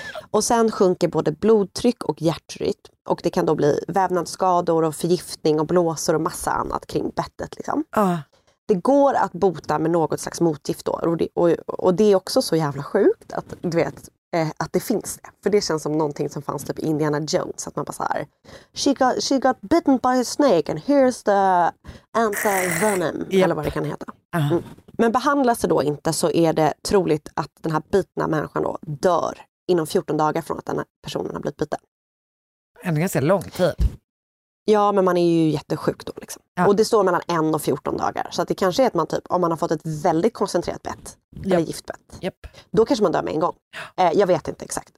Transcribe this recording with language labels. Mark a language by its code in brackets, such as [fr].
[sv] Och sen sjunker både blodtryck och hjärtrytm. Och det kan då bli vävnadsskador och förgiftning och blåsor och massa annat kring bettet liksom. Det går att bota med något slags motgift då. Och det är också så jävla sjukt att, du vet, att det finns det. För det känns som någonting som fanns typ i Indiana Jones. Att man bara så här, [en] she got bitten by a snake and here's the anti-venom. [sv] Yep. Eller vad det kan heta. Men behandlas det då inte så är det troligt att den här bitna människan då dör inom 14 dagar från att den här personen har blivit biten. En ganska lång tid. Ja, men man är ju jättesjuk då liksom. Ja. Och det står mellan 1 och 14 dagar. Så att det kanske är att man typ, om man har fått ett väldigt koncentrerat bett, eller giftbett, då kanske man dör med en gång. Jag vet inte exakt.